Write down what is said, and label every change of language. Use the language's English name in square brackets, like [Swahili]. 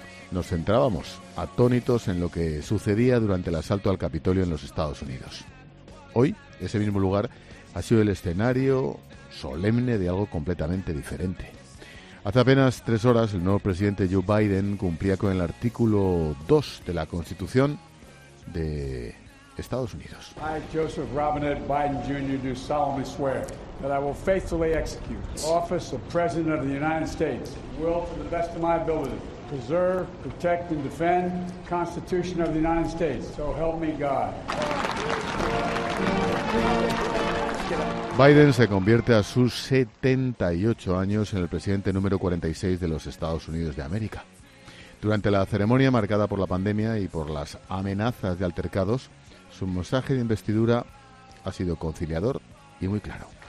[Spanish] nos centrábamos, atónitos, en lo que sucedía durante el asalto al Capitolio en los Estados Unidos. Hoy, ese mismo lugar ha sido el escenario solemne de algo completamente diferente. Hace apenas 3 horas, el nuevo presidente Joe Biden cumplía con el artículo 2 de la Constitución de Estados Unidos. [English] I, Joseph Robinette Biden Jr., do solemnly swear that I will faithfully execute the office of President of the United States, will, to the best of my ability, preserve, protect, and defend the Constitution of the United States. So help me God. [Spanish] Biden se convierte a sus 78 años en el presidente número 46 de los Estados Unidos de América. Durante la ceremonia marcada por la pandemia y por las amenazas de altercados, su mensaje de investidura ha sido conciliador y muy claro.